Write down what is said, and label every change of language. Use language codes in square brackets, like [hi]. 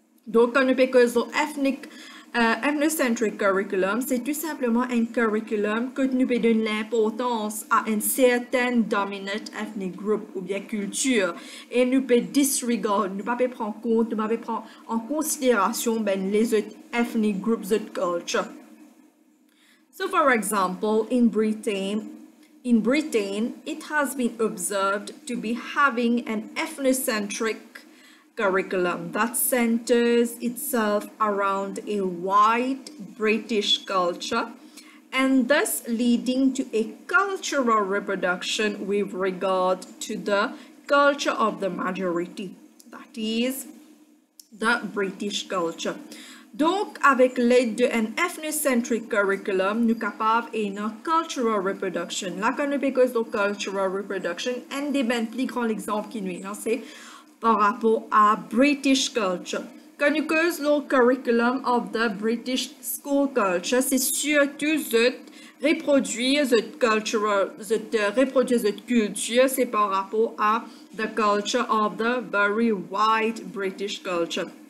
[fr] Donc, quand nous parlons de ethnocentric curriculum, c'est tout simplement un curriculum que nous donnons l'importance à une certaine [en] dominant ethnic group [fr] ou bien culture. Et nous pouvons disregard, nous pouvons prendre en compte, nous pouvons prendre en considération ben, les autres ethnic groups de culture. [en] So, for example, in Britain, In Britain, it has been observed to be having an ethnocentric curriculum that centers itself around a white British culture, and thus leading to a cultural reproduction with regard to the culture of the majority, that is, the British culture. [fr] Donc, avec l'aide d'un ethnocentric curriculum, nous capables d'une cultural reproduction. La connaissance de cultural reproduction, un des ben plus grands exemples qui nous est lancé par rapport à British culture. Connaissance de [en] curriculum of the British school culture, [fr] c'est surtout de reproduire cette cultural, de reproduire cette culture, c'est par rapport à [en] the culture of the very white British culture.